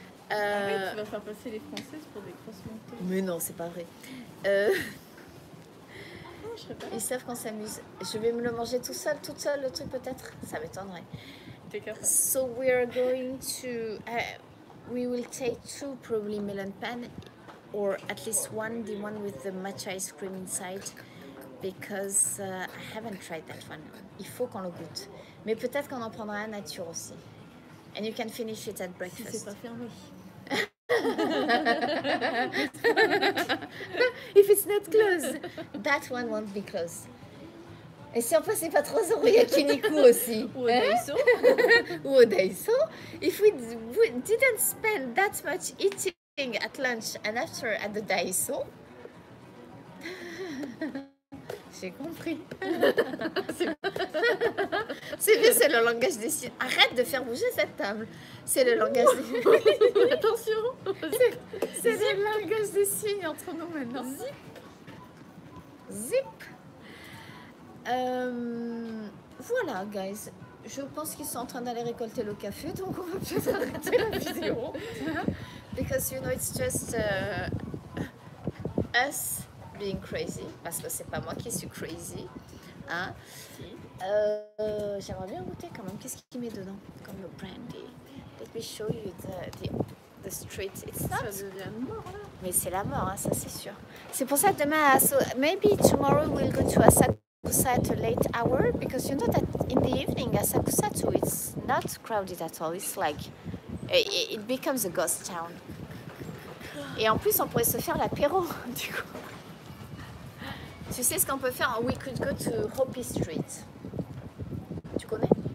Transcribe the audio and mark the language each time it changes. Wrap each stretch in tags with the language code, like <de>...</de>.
<fr>Arrête, tu vas faire passer les Françaises pour des grosses menteuses. Mais non, c'est pas vrai. Non, je serai pas là. Ils savent qu'on s'amuse. Je vais me le manger tout seul, toute seule, le truc peut-être. Ça m'étonnerait.</fr> <en>So we are going to we will take two probably melon pan, or at least one, the one with the matcha ice cream inside, because I haven't tried that one.</en> <fr>Il faut qu'on le goûte, mais peut-être qu'on en prendra un nature aussi.</fr> <en>And you can finish it at breakfast.</en> <fr>Si c'est pas fermé.</fr> <en>If it's not closed, that one won't be closed.</en> <fr>Et si on passait pas 3 euros, il y a Kiniku aussi. Ou au Daiso. Ou au Daiso.</fr> <en>If we didn't spend that much eating at lunch and after at the Daiso.</en> <fr>J'ai compris. C'est bien, c'est le langage des signes. Arrête de faire bouger cette table. C'est le langage des signes. Attention. C'est le langage des signes entre nous maintenant. Zip. Zip. Voilà, guys. Je pense qu'ils sont en train d'aller récolter le café, donc on va peut-être arrêter la vidéo.</fr> <en>Because you know, it's just us being crazy.</en> <fr>Parce que c'est pas moi qui suis crazy. Hein? Si. J'aimerais bien goûter quand même. Qu'est-ce qu'il met dedans? Comme le brandy.</fr> <en>Let me show you the street itself.</en> <fr>Ça devient mort là. Mais c'est la mort, hein, ça c'est sûr. C'est pour ça que demain,</fr> <en>maybe tomorrow we'll go to Asakusa at a late hour, because you know that in the evening Asakusa too, it's not crowded at all. It's like it becomes a ghost town.</en> <fr>Et en plus on pourrait se faire l'apéro du coup. Tu sais ce qu'on peut faire?</fr> <en>We could go to Hopi Street.</en> <fr>Tu connais?</fr>